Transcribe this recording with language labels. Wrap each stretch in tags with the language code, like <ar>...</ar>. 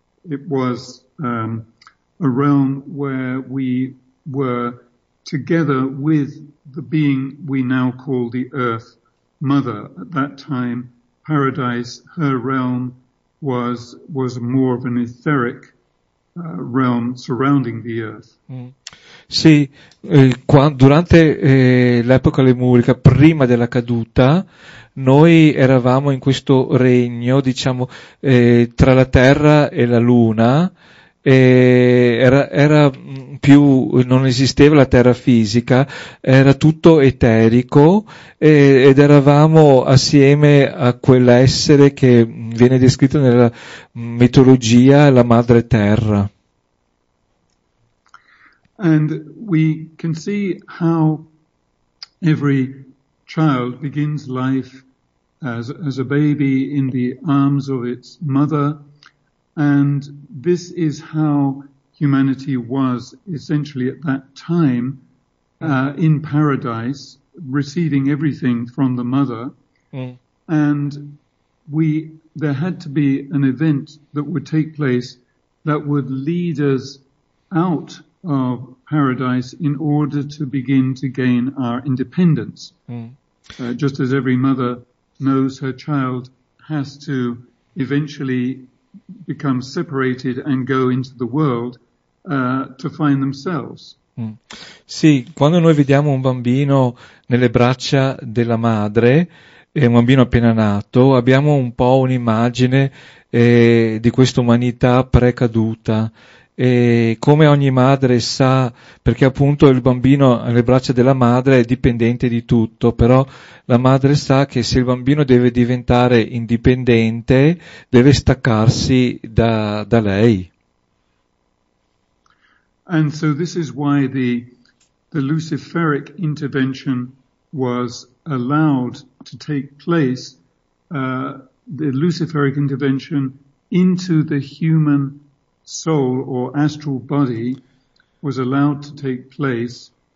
<en>It was a realm where we were together with the being we now call the Earth Mother. At that time, paradise, her realm, was more of an etheric realm surrounding the earth. Mm.</en> <it>Sì, durante l'epoca lemurica, prima della caduta, noi eravamo in questo regno, diciamo, tra la terra e la luna, era più, non esisteva la terra fisica, era tutto eterico, ed eravamo assieme a quell'essere che viene descritto nella mitologia, la madre terra.</it> <en>And we can see how every child begins life as a baby in the arms of its mother. And this is how humanity was essentially at that time in paradise, receiving everything from the mother. Mm. And there had to be an event that would take place that would lead us out of paradise in order to begin to gain our independence. Mm. Just as every mother knows her child has to eventually become separated and go into the world to find themselves. Mm.</en> <it>Sì, quando noi vediamo un bambino nelle braccia della madre, è un bambino appena nato, abbiamo un po' un'immagine di questa umanità precaduta. E come ogni madre sa, perché appunto il bambino alle braccia della madre è dipendente di tutto, però la madre sa che se il bambino deve diventare indipendente, deve staccarsi da lei.</it> <en>And so this is why the Luciferic intervention was allowed to take place, the Luciferic intervention into the human soul or astral body was allowed to take place,</en>